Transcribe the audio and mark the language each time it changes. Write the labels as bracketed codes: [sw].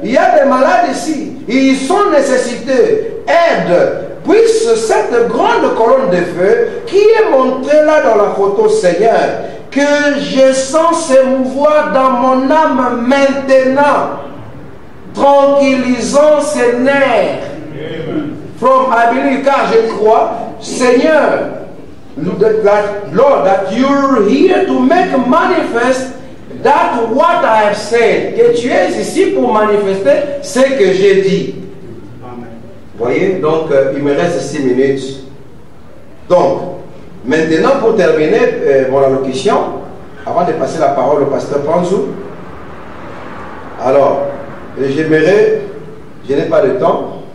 [fr] Il y a des malades ici. Ils sont nécessités. Aide. Puisse cette grande colonne de feu qui est montée là dans la photo, Seigneur, que je sens se mouvoir dans mon âme maintenant, tranquillisant ses nerfs. [en] From I believe, [fr] car je crois, Seigneur, [en] that Lord, that you're here to make manifest that what I have said. [fr] Que tu es ici pour manifester ce que j'ai dit. Amen. Voyez, donc il me reste 6 minutes. Donc, maintenant pour terminer mon allocution, avant de passer la parole au pasteur Panzou, alors, j'aimerais, je n'ai pas le temps.